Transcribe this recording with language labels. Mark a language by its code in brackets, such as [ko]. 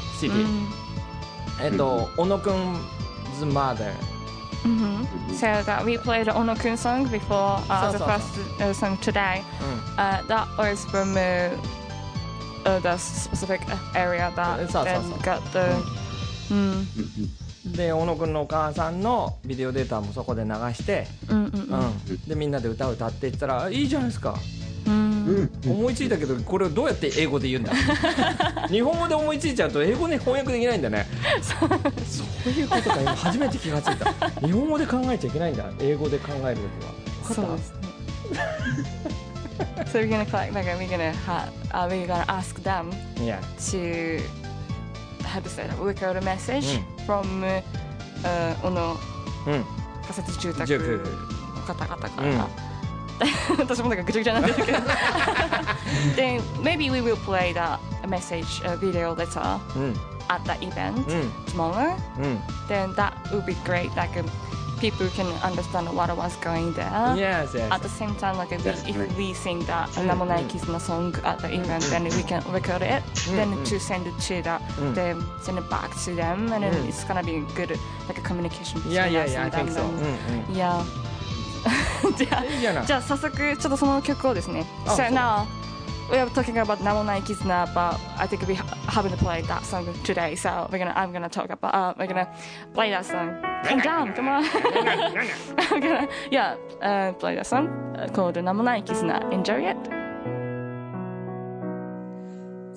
[en] City、小野くん's mother、 So that we played 小野くん song before the first song today、that was from the specific area that got the、 [ja] で、小野くんのお母さんのビデオデータもそこで流して、で、みんなで歌を歌っていったら、いいじゃないですか。思いついたけど、これをどうやって英語で言うんだ。日本語で思いついちゃうと英語で翻訳できないんだね。そういうことか、今初めて気がついた。日本語で考えちゃいけないんだ、英語で考えるときは。分かった？そうですね。 [en] So we're gonna collect, like, we're gonna ask them to... How to say that? Record a message from Ono Kasetsu Chutaku [ja] の方々から。私もなんかぐちゃぐちゃなんですけど。 [en] Then maybe we will play that message video later at the event tomorrow. Then that would be great. Like people can understand what was going there. Yes. At the same time, like if we sing that Namonai Kizuna song at the event, then we can record it, then to send it to that, then send it back to them, and then it's gonna be a good like a communication between us and them. Yeah. [ja] じゃあ早速ちょっとその曲をですね。 [en] So now we are talking about Namonai Kizuna, but I think we haven't played that song today. So we're gonna play that song. And down, come on. play that song called Namonai Kizuna. Enjoy it.